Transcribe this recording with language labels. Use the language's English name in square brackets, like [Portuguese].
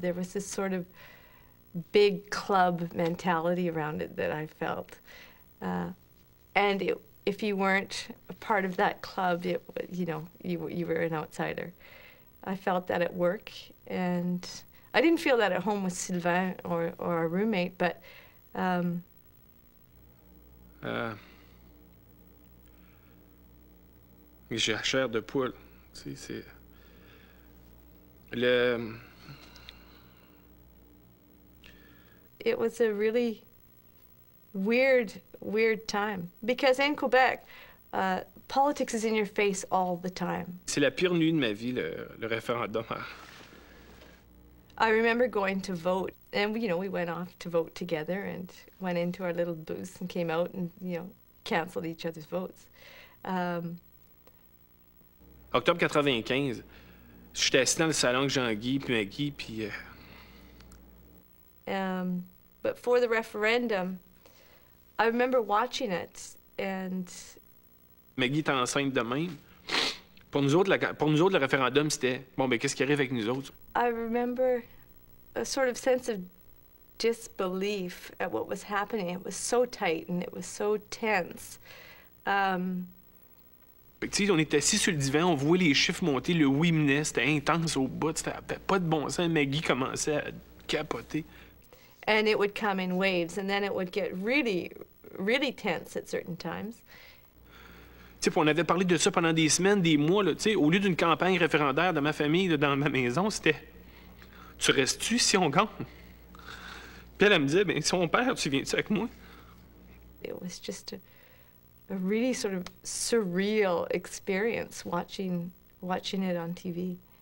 [English] There was this sort of big club mentality around it that I felt. And if you weren't a part of that club, you were an outsider. I felt that at work, and I didn't feel that at home with Sylvain or our roommate, but... [French] J'ai la chair de poule, tu sais, c'est... Le... [English] It was a really weird, weird time. Because in Quebec, politics is in your face all the time. [French] C'est la pire nuit de ma vie, le référendum. [English] I remember going to vote, and you know, we went off to vote together and went into our little booths and came out and, you know, canceled each other's votes. [French] Octobre 95, j'étais assis dans le salon avec Jean-Guy, puis Maggie, puis... [English] But for the referendum, I remember watching it, and... [French] Maggie était enceinte de même. Pour nous autres, le référendum, c'était, bon, ben qu'est-ce qui arrive avec nous autres? [English] I remember a sort of sense of disbelief at what was happening. It was so tight and it was so tense. [French] Tu sais, on était assis sur le divan, on voyait les chiffres monter, le oui menait, c'était intense au bout, c'était pas de bon sens. Maggie commençait à capoter. [English] And it would come in waves, and then it would get really, really tense at certain times. [French] Tu sais, on avait parlé de ça pendant des semaines, des mois, tu sais, au lieu d'une campagne référendaire de ma famille, dans ma maison, c'était « Tu restes-tu si on gagne? » Puis elle me disait « Bien, si on perd, tu viens-tu avec moi? » [English] It was just a really sort of surreal experience watching it on TV.